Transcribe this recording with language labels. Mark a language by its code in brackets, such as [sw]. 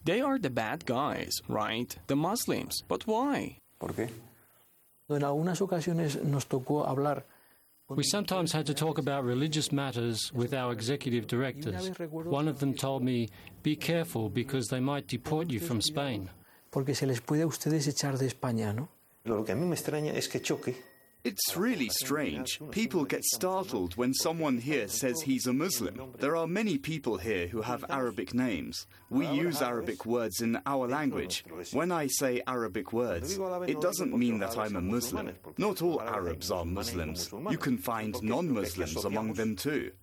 [en] They are the bad guys, right? The Muslims. But why? We sometimes had to talk about religious matters with our executive directors. One of them told me, be careful because they might deport you from Spain. [es] Porque se les puede a ustedes echar de España, ¿no? Lo que a mí me extraña es que choque [en] It's really strange. People get startled when someone here says he's a Muslim. There are many people here who have Arabic names. We use Arabic words in our language. When I say Arabic words, it doesn't mean that I'm a Muslim. Not all Arabs are Muslims. You can find non-Muslims among them too.